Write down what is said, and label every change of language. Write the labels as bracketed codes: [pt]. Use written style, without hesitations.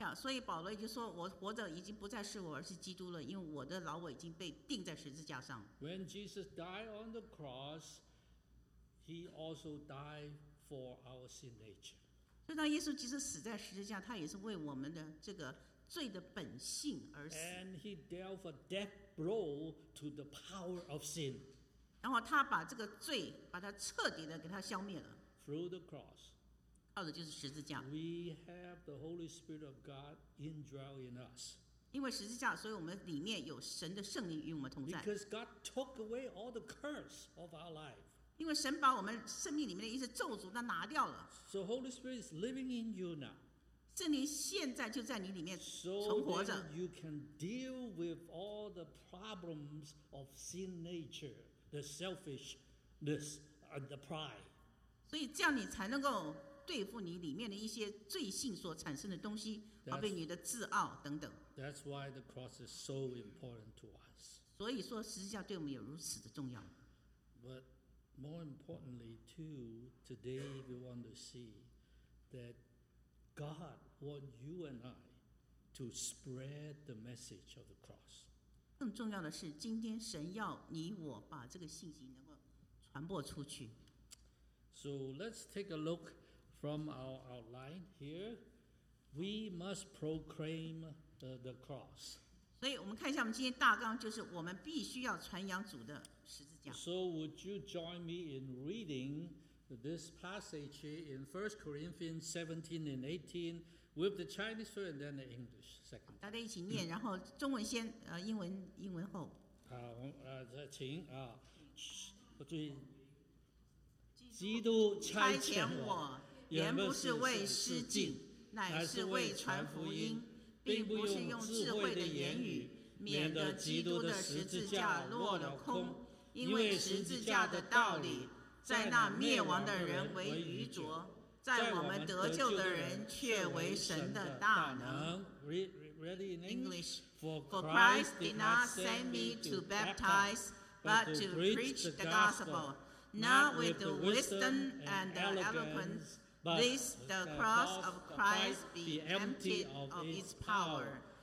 [zh] 所以保罗就说我活着已经不再是我，而是基督了，因为我的老我已经被钉在十字架上。 [en] When Jesus died on the cross, he also died for our sin nature. [zh] 所以当耶稣即使死在十字架，他也是为我们的这个罪的本性而死。 [en] And he dealt a death blow to the power of sin. [zh] 然后他把这个罪把它彻底的给他消灭了。 [en] Through the cross. [zh] 靠的就是十字架。 [en] We have the Holy Spirit of God indwelling us. [zh] 因为十字架，所以我们里面有神的圣灵与我们同在。 [en] Because God took away all the curse of our life. [zh] 因为神把我们生命里面的一些咒诅都拿掉了。 [en] So Holy Spirit is living in you now. [zh] 圣灵现在就在你里面存活着。 [en] So you can deal with all the problems of sin nature, the selfishness and the pride. [zh] 所以这样你才能够对付你里面的一些罪性所产生的东西，好比你的自傲等等。 [en] That's why the cross is so important to us. [zh] 所以说十字架对我们有如此的重要。 [en] But more importantly too, today we want to see that God wants you and I to spread the message of the cross. [zh] 更重要的是，今天神要你我把这个信息能够传播出去。 [en] So let's take a look. From our outline here, we must proclaim the cross. [zh] 所以我们看一下，我们今天大纲就是我们必须要传扬主的十字架。 [en] So would you join me in reading this passage in 1 Corinthians 17 and 18 with the Chinese first and then the English second? [zh] 大家一起念，然后中文先，英文后。好，再请啊，我注意，基督差遣我。原不是为施浸，乃是为传福音，并不是用智慧的言语，免得基督的十字架落了空。因为十字架的道理，在那灭亡的人为愚拙，在我们得救的人却为神的大能。 [en] Ready in English. For Christ did not send me to baptize, but to preach the gospel, not with the wisdom and the eloquence. But this, the cross of Christ be emptied of its power.